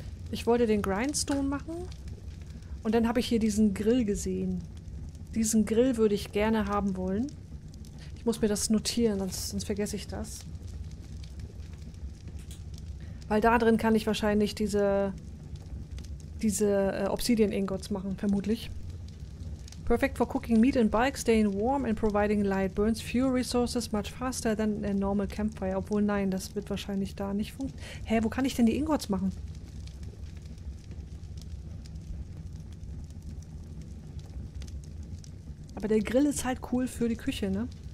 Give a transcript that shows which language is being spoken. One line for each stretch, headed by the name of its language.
German: Ich wollte den Grindstone machen. Und dann habe ich hier diesen Grill gesehen. Diesen Grill würde ich gerne haben wollen. Ich muss mir das notieren, sonst vergesse ich das. Weil da drin kann ich wahrscheinlich diese Obsidian-Ingots machen, vermutlich.
English: Perfect for cooking meat and bikes, staying warm and providing light. Burns fewer resources much faster than a normal campfire.
German: Obwohl, nein, das wird wahrscheinlich da nicht funktionieren. Hä, wo kann ich denn die Ingots machen? Aber der Grill ist halt cool für die Küche, ne?